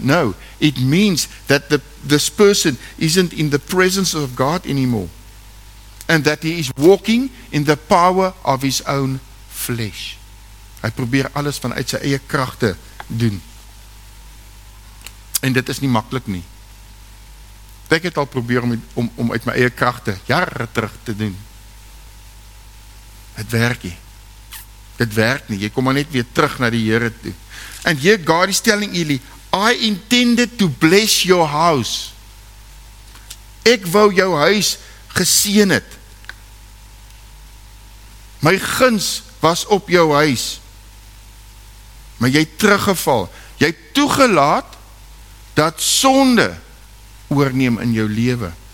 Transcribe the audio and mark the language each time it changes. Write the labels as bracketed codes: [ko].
[en] No, it means that this person isn't in the presence of God anymore. And that he is walking in the power of his own flesh. [af] Hy probeer alles vanuit sy eie kragte doen. En dit is nie maklik nie. Ek het al probeer om uit my eie kragte jare terug te doen. Het werk nie. Dit werk nie, jy kom maar net weer terug na die Here toe. [en] And here God is telling Eli, I intended to bless your house. [af] Ek wou jou huis geseën het. My guns was op jou huis. Maar jy het teruggeval. Jy het toegelaat dat sonde oorneem in jou lewe.